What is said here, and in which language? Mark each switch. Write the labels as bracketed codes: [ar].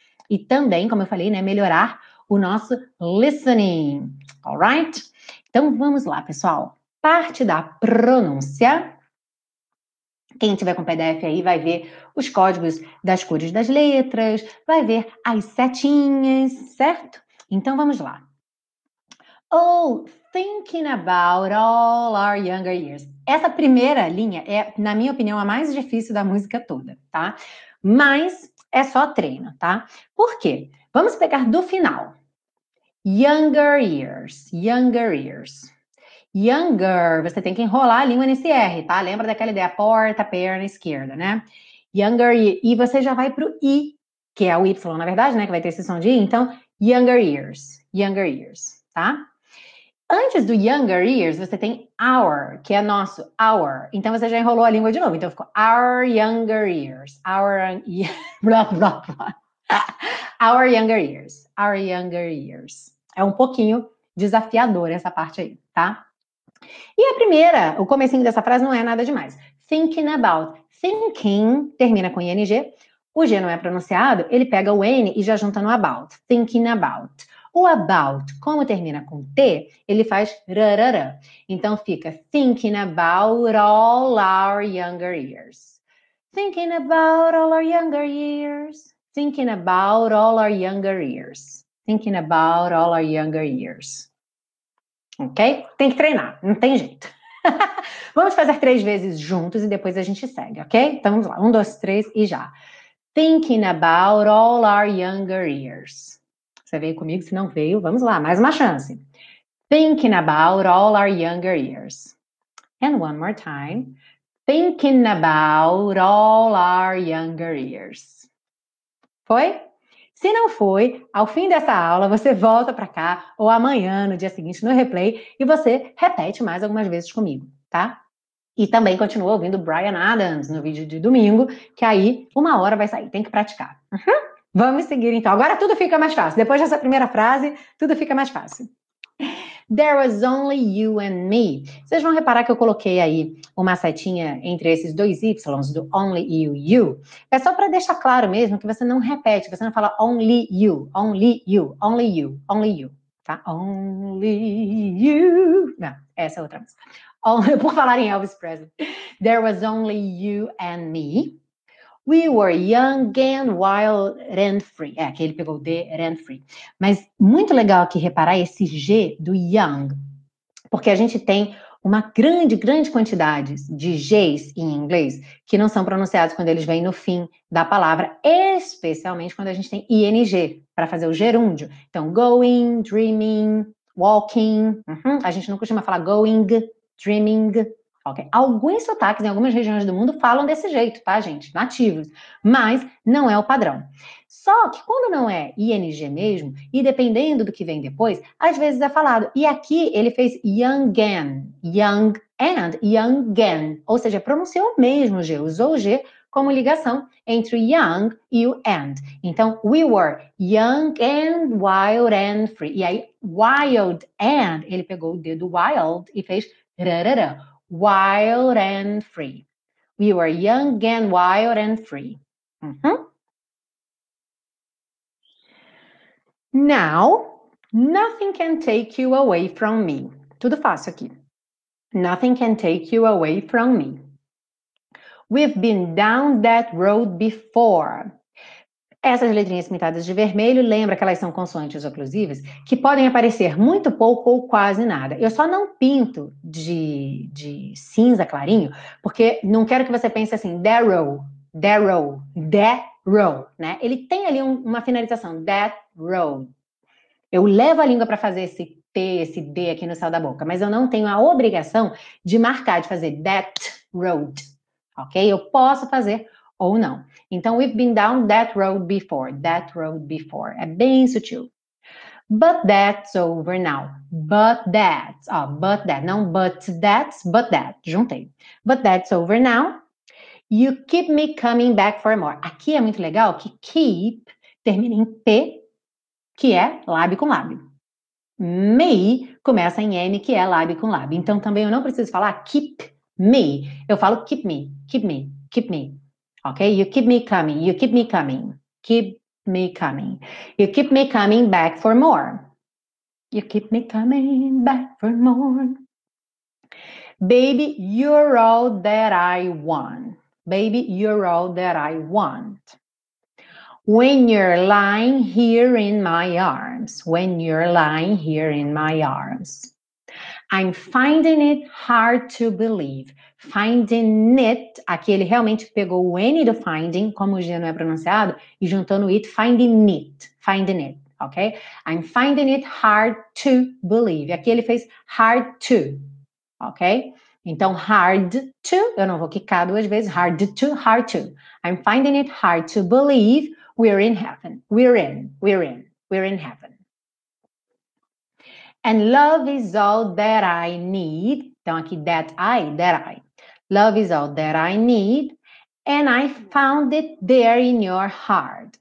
[pt] E também, como eu falei, né, melhorar o nosso listening, [en] alright? [pt] Então vamos lá, pessoal. Parte da pronúncia. Quem tiver com PDF aí vai ver os códigos das cores das letras, vai ver as setinhas, certo? Então, vamos lá. [en] Oh, thinking about all our younger years. [pt] Essa primeira linha é, na minha opinião, a mais difícil da música toda, tá? Mas é só treino, tá? Por quê? Vamos pegar do final. [en] Younger years, younger years. [pt] Younger, você tem que enrolar a língua nesse R, tá? Lembra daquela ideia, porta, perna esquerda, né? Younger, e você já vai pro I, que é o Y, na verdade, né? Que vai ter esse som de I. Então, [en] younger years, [pt] tá? Antes do younger years, você tem our, que é nosso, our. Então, você já enrolou a língua de novo. Então, ficou [en] our younger years. Our, blá, blá, blá. Our younger years. Our younger years. [pt] É um pouquinho desafiador essa parte aí, tá? E a primeira, o comecinho dessa frase não é nada demais. [en] Thinking about. [pt] Thinking termina com ing. O g não é pronunciado, ele pega o n e já junta no about. [en] Thinking about. [pt] O about, como termina com T, ele faz rarara. Então fica [en] thinking about all our younger years. Thinking about all our younger years. Thinking about all our younger years. Thinking about all our younger years. Ok? [pt] Tem que treinar, não tem jeito. Vamos fazer três vezes juntos e depois a gente segue, ok? Então vamos lá, um, dois, três e já. [en] Thinking about all our younger years. [pt] Você veio comigo, se não veio, vamos lá, mais uma chance. [en] Thinking about all our younger years. And one more time. Thinking about all our younger years. [pt] Foi? Se não foi, ao fim dessa aula, você volta para cá ou amanhã, no dia seguinte, no replay, e você repete mais algumas vezes comigo, tá? E também continua ouvindo Bryan Adams no vídeo de domingo, que aí uma hora vai sair, tem que praticar. Vamos seguir, então. Agora tudo fica mais fácil. Depois dessa primeira frase, tudo fica mais fácil. [en] There was only you and me. [pt] Vocês vão reparar que eu coloquei aí uma setinha entre esses dois Ys, do only you. É só para deixar claro mesmo que você não repete, você não fala [en] only you, only you, only you, only you. [pt] Tá? [en] Only you. [pt] Não, essa é outra música. Por falar em Elvis Presley. [en] There was only you and me. We were young and wild and free. [pt] É, aqui ele pegou o D, [en] and free. [pt] Mas muito legal aqui reparar esse G do young. Porque a gente tem uma grande, grande quantidade de Gs em inglês que não são pronunciados quando eles vêm no fim da palavra. Especialmente quando a gente tem ing para fazer o gerúndio. Então, going, dreaming, walking. Uhum. A gente não costuma falar [en] going, dreaming. [pt] Okay. Alguns sotaques em algumas regiões do mundo falam desse jeito, tá, gente? Nativos. Mas não é o padrão. Só que quando não é ing mesmo, e dependendo do que vem depois, às vezes é falado. [en] E aqui ele fez young and, young and, young and. [pt] Ou seja, pronunciou mesmo o G, usou o G como ligação entre o young e o and. [en] Então, we were young and wild and free. [pt] E aí, wild and, ele pegou o dedo wild e fez rarara. [en] Wild and free. We were young and wild and free. Uhum. Now, nothing can take you away from me. [pt] Tudo fácil aqui. [en] Nothing can take you away from me. We've been down that road before. [pt] Essas letrinhas pintadas de vermelho, lembra que elas são consoantes oclusivas? Que podem aparecer muito pouco ou quase nada. Eu só não pinto de cinza clarinho, porque não quero que você pense assim, Darrow, Darrow, Darrow, né? Ele tem ali uma finalização, that road. Eu levo a língua para fazer esse T, esse D aqui no céu da boca, mas eu não tenho a obrigação de marcar, de fazer that road, ok? Eu posso fazer ou não. Então, [en] we've been down that road before, [pt] é bem sutil. [en] But that's over now, but that's, ó, but that, não but that, juntei. But that's over now, you keep me coming back for more. [pt] Aqui é muito legal que keep termina em P, que é lábio com lábio. Me começa em M, que é lábio com lábio. Então, também eu não preciso falar keep me, eu falo keep me, keep me, keep me. [en] Ok? You keep me coming. You keep me coming. Keep me coming. You keep me coming back for more. You keep me coming back for more. Baby, you're all that I want. Baby, you're all that I want. When you're lying here in my arms. When you're lying here in my arms. I'm finding it hard to believe. [pt] Finding it, aqui ele realmente pegou o N do finding, como o G não é pronunciado, e juntou no it, finding it, ok? [en] I'm finding it hard to believe. [pt] Aqui ele fez hard to, ok? Então, hard to, eu não vou quicar duas vezes, hard to. [en] I'm finding it hard to believe we're in heaven. We're in heaven. And love is all that I need. [pt] Então, aqui, [en] that I. Love is all that I need. And I found it there in your heart.